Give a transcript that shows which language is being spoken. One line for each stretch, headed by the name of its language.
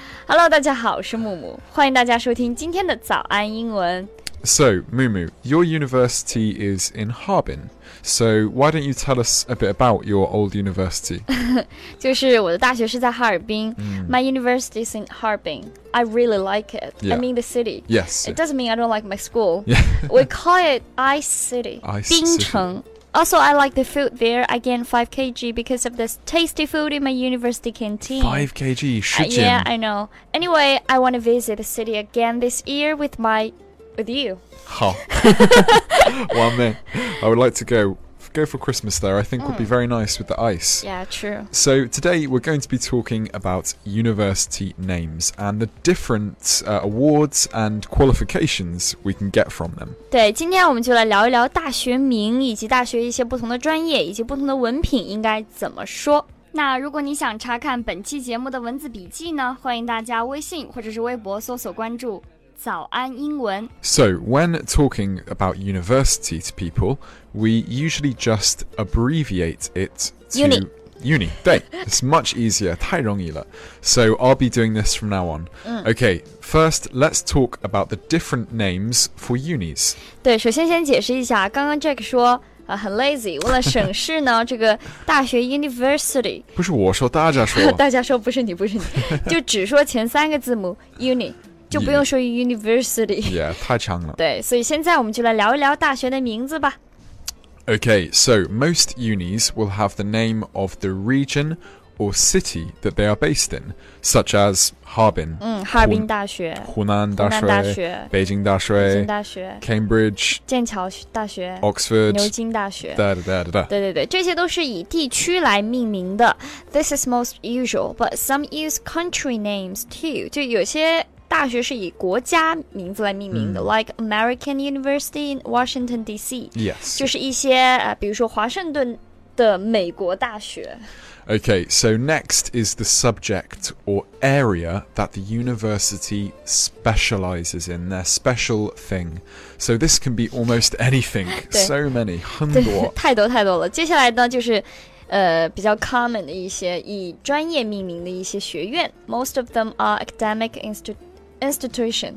Chinese: Hello， 大家好，我是木木，欢迎大家收听今天的早安英文。
English: So, Mumu, your university is in Harbin. So, why don't you tell us a bit about your old university?
Chinese: 就是我的大学是在哈尔滨。
English: My university is in Harbin. I really like it. Yeah. I mean the city. Yes. It doesn't mean I don't like my school. Yeah. We call it Ice City. Ice City.
Chinese: 冰城。
English: Also, I like the food there. I gain 5 kg because of this tasty food in my university canteen. 5 kg,
Chinese: 十斤。
English: Yeah, I know. Anyway, I want to visit the city again this year with my... With you.
Chinese: 好完美
English: I would like to go for Christmas there. I think would be very nice with the ice. Yeah, true. So today we're going to be talking about university names and the different、awards and qualifications we can get from them.
Chinese: 对，今天我们就来聊一聊大学名以及大学一些不同的专业以及不同的文凭应该怎么说。那如果你想查看本期节目的文字笔记呢，欢迎大家微信或者是微博搜索关注早安英文。
English: So, when talking about university to people, we usually just abbreviate it to uni. Uni, 对 It's much easier,
Chinese: 太容易了。
English: So, I'll be doing this from now on.、Okay, first, let's talk about the different names for unis.
Chinese: 对，首先先解释一下，刚刚 Jack 说、很 lazy, 为了省事呢，这个大学 university。不是我说，大家说。大家说，不是你。就只说前三个字母 uni。就不用说 university Yeah, 太长了对所以现在我们就来聊一聊大学的名字吧
English: Okay, so most unis will have the name of the region or city that they are based in Such as Harbin
Chinese: 哈尔滨大学湖南大学北京大学
English: Cambridge
Chinese: 剑桥大学
English: Oxford
Chinese: 牛津大学对对对对这些都是以地区来命名的
English: This is most usual, but some use country names too
Chinese: 就有些大学是以国家名字来命名的、
English: like American University in Washington DC Yes
Chinese: 就是一些、比如说华盛顿的美国大学
English: Okay, so next is the subject or area that the university specializes in their special thing So this can be almost anything So many,
Chinese: 很多太多太多了接下来呢就是比较 common 的一些以专业命名的一些学院
English: Most of them are academic institution